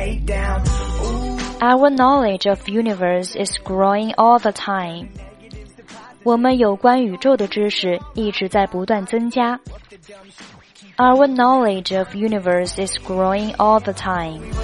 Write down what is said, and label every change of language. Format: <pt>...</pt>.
<en>Our knowledge of universe is growing all the time.</en> <zh>我们有关宇宙的知识一直在不断增加。</zh> <en>Our knowledge of universe is growing all the time.</en>